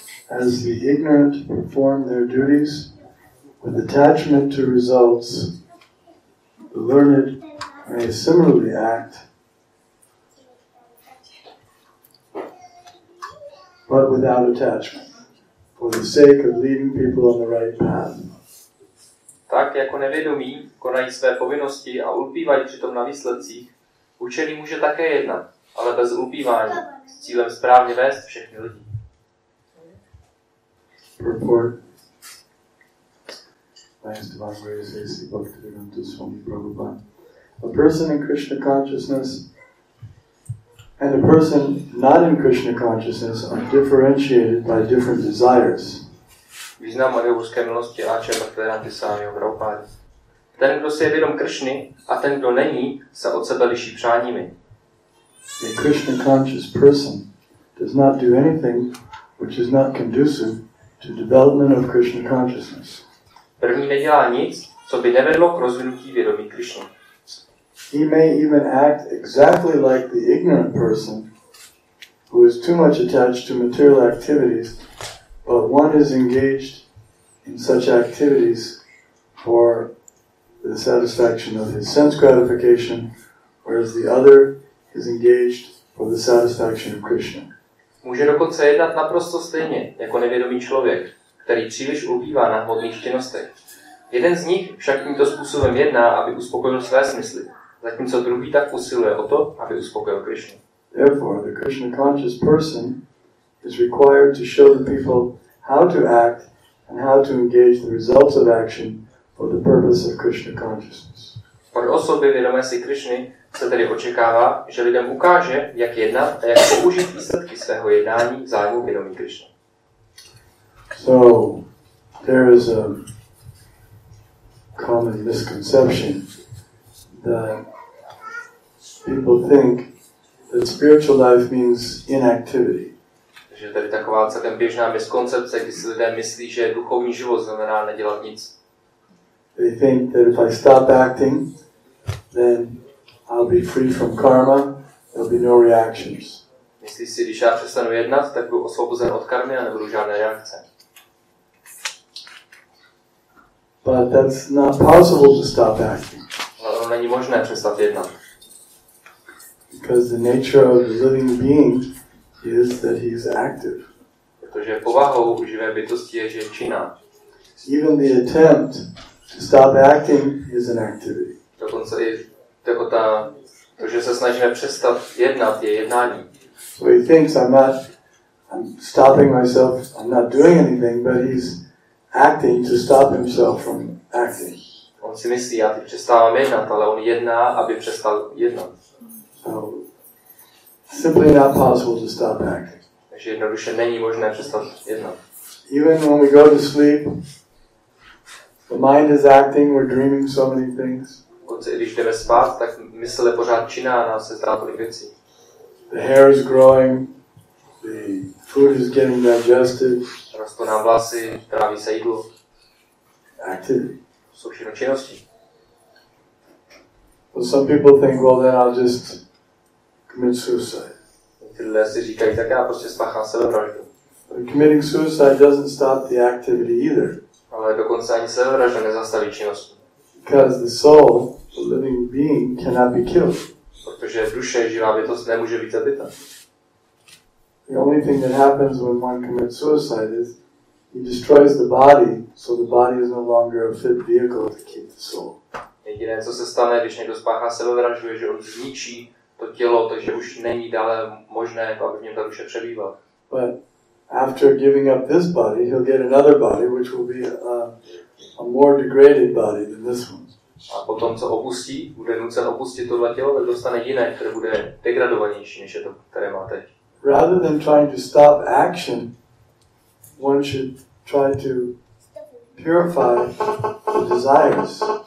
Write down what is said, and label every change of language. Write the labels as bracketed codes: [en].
[en] As the ignorant perform their duties with attachment to results, the learned may similarly act, but without attachment, for the sake of leading people on the right path. [cs] Tak jako nevědomí konají své povinnosti a ulpívají přitom na výsledcích, učený může také jednat, ale bez ulpívání, s cílem správně vést všechny lidi. [en] Purport. Thanks to my grace, A.C. Bhaktivedanta Swami Prabhupada. A person in Krishna consciousness and a person not in Krishna consciousness are differentiated by different desires. [cs] Význam o nebeské milosti A.C. Bhaktivedanta Swami Prabhupada. Ten, kdo si je vědom Krishny a ten, kdo není, se od sebe liší přáními. [en] A Krishna conscious person does not do anything which is not conducive to development of Krishna consciousness. [cs] První nedělá nic, co by nevedlo k rozvinutí vědomí Krishna. [en] He may even act exactly like the ignorant person who is too much attached to material activities, but one is engaged in such activities for the satisfaction of his sense gratification, whereas the other is engaged for the satisfaction of Krishna. [cs] Může dokonce jednat naprosto stejně jako nevědomý člověk, který příliš ulpívá na hmotných činnostech. Jeden z nich však tímto způsobem jedná, aby uspokojil své smysly, zatímco druhý tak usiluje o to, aby uspokojil Krishnu. [en] Therefore, the Krishna conscious person is required to show the people how to act and how to engage the results of action for the purpose of Krishna consciousness. [cs] Od osoby vědomé si Krishny se tedy očekává, že lidem ukáže, jak jednat a jak použít výsledky svého jednání v zájmu vědomí Krishna. [en] So there is a common misconception that people think that spiritual life means inactivity. [cs] Takže tady taková celkem běžná miskoncepce, když si lidé myslí, že duchovní život znamená nedělat nic. [en] They think that if I stop acting, then I'll be free from karma, there'll be no reactions. [cs] Myslí si, když já přestanu jednat, tak budu osvobozen od karmy a nebudu žádné reakce. [en] But that's not possible to stop acting. [cs] No, není možné přestat jednat. [en] Because the nature of the living being is that he is active. [cs] Protože povahou živé bytosti je, že je činná. [en] Even the attempt to stop acting is an activity. [cs] Dokonce i to, že se snažíme přestat jednat, je jednání. [en] So he thinks I'm stopping myself, I'm not doing anything, but he's acting to stop himself from acting. [cs] On si myslí, já teď přestávám jednat, ale on jedná, aby přestal jednat. [en] So, simply not possible to stop acting. [cs] Takže jednoduše není možné přestat jednat. [en] Even when we go to sleep, the mind is acting, we're dreaming so many things. [cs] Dokonce, když jdeme spát, tak mysl je pořád činá a nám se zdá tolik věcí. [en] The hair is growing, the food is getting digested. [cs] Rostou nám vlasy, tráví se jídlo. [en] Activity. [cs] Jsou všechno činnosti. [en] But some people think, well, then I'll just commit suicide. [cs] Některé lidé si říkají, tak já prostě spáchám sebevraždu. [en] But committing suicide doesn't stop the activity either. [cs] Ale dokonce ani sebevražda nezastaví činnost. [en] Because the soul, the living being, cannot be killed. [cs] Protože duše, živá bytost, nemůže být zabita. [en] The only thing that happens when one commits suicide is he destroys the body, so the body is no longer a fit vehicle to keep the soul. [cs] Jediné, co se stane, když někdo spáchá sebevraždu, je, že on zničí to tělo, takže už není dále možné, aby v něm ta duše přebývala. [en] But after giving up this body, he'll get another body, which will be a more degraded body than this one. [cs] A potom, co opustí, bude nucen opustit tohle tělo, tak dostane jiné, které bude degradovanější, než je to, které má teď. [en] Rather than trying to stop action, one should try to purify the desires.